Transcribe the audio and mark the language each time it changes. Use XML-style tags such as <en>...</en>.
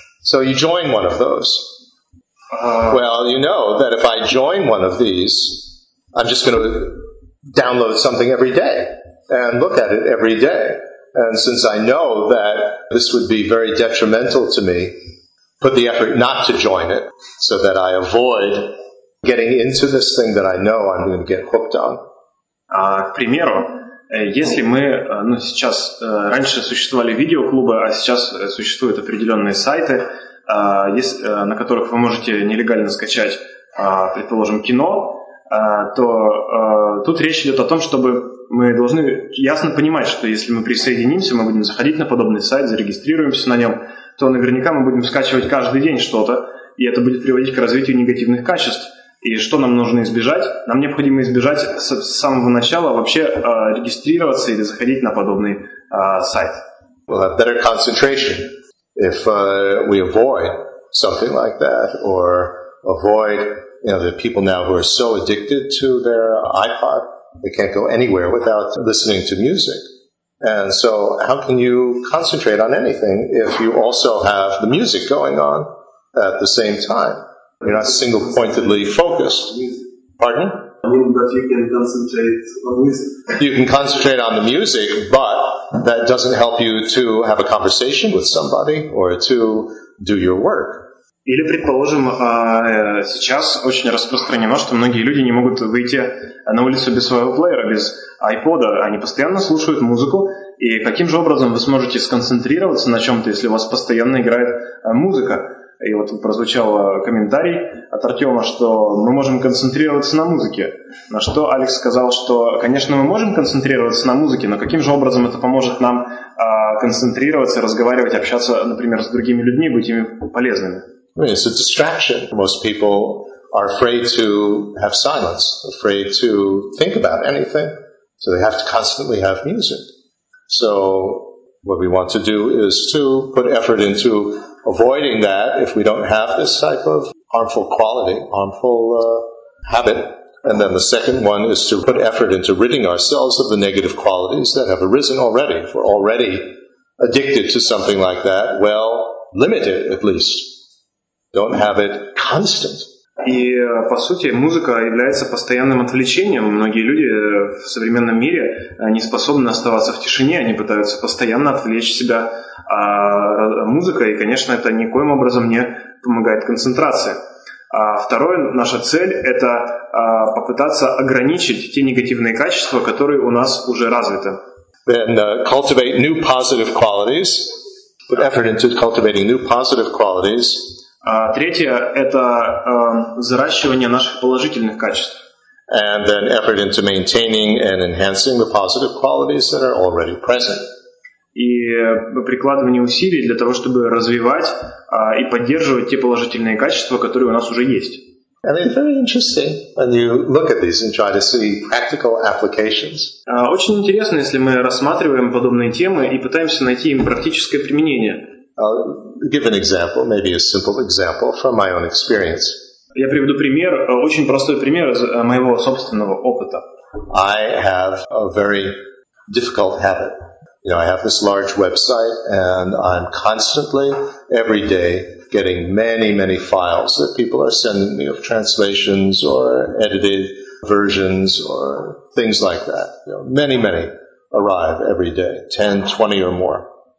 <en>So you join one of those. Well, you know that if I join one of these, I'm just going to download something every day and look at it every day. And since I know that this would be very detrimental to me, put the effort not to join it so that I avoid getting into this thing that I know I'm going to get hooked on.</en> <ru>К примеру, если мы, ну, сейчас, раньше существовали видеоклубы, а сейчас существуют определенные сайты, на которых вы можете нелегально скачать, предположим, кино, то тут речь идет о том, чтобы мы должны ясно понимать, что если мы присоединимся, мы будем заходить на подобный сайт, зарегистрируемся на нем, то наверняка мы будем скачивать каждый день что-то, и это будет приводить к развитию негативных качеств. И что нам нужно избежать? Нам необходимо избежать с самого начала вообще регистрироваться или заходить на подобный сайт.</ru> <en>We'll have better concentration if we avoid something like that, or avoid, you know, the people now who are so addicted to their iPod, they can't go anywhere without listening to music. And so how can you concentrate on anything if you also have the music going on at the same time? You're not single-pointedly focused. Pardon? I mean that you can concentrate on music. You can concentrate on the music, but that doesn't help you to have a conversation with somebody or to do your work.</en> <ru>Или, предположим, сейчас очень распространено, что многие люди не могут выйти на улицу без своего плеера, без iPod'а. Они постоянно слушают музыку. И каким же образом вы сможете сконцентрироваться на чем-то, если у вас постоянно играет музыка? И вот прозвучал комментарий от Артема, что мы можем концентрироваться на музыке. На что Алекс сказал, что, конечно, мы можем концентрироваться на музыке, но каким же образом это поможет нам концентрироваться, разговаривать, общаться, например, с другими людьми, быть ими полезными?</ru> <en>I mean, it's a distraction. Most people are afraid to have silence, afraid to think about anything. So they have to constantly have music. So what we want to do is to put effort into avoiding that if we don't have this type of harmful quality, harmful habit. And then the second one is to put effort into ridding ourselves of the negative qualities that have arisen already. If we're already addicted to something like that, well, limit it at least. Don't have it constant.</en> <ru>И, по сути, музыка является постоянным отвлечением. Многие люди в современном мире не способны оставаться в тишине, они пытаются постоянно отвлечь себя музыкой, и, конечно, это никоим образом не помогает концентрации. А второе, наша цель – это попытаться ограничить те негативные качества, которые у нас уже развиты.</ru> <en>Then, cultivate new positive qualities. Put effort into cultivating new positive qualities.</en> <ru>Третье – это взращивание наших положительных качеств.</ru> <en>And then effort into maintaining and enhancing the positive qualities that are already present.</en> <ru>И прикладывание усилий для того, чтобы развивать и поддерживать те положительные качества, которые у нас уже есть.</ru> <en>And it's very interesting when you look at these and try to see practical applications.</en> <ru>Очень интересно, если мы рассматриваем подобные темы и пытаемся найти им практическое применение.</ru> <en>I'll give an example, maybe a simple example from my own experience.</en> <ru>Я приведу пример, очень простой пример из моего собственного опыта.</ru> <en>I have a very difficult habit. You know, I have this large website, and I'm constantly, every day, getting many, many files that people are sending me of translations or edited versions or things like that. You know, many, many arrive every day, 10, 20 or more.</en>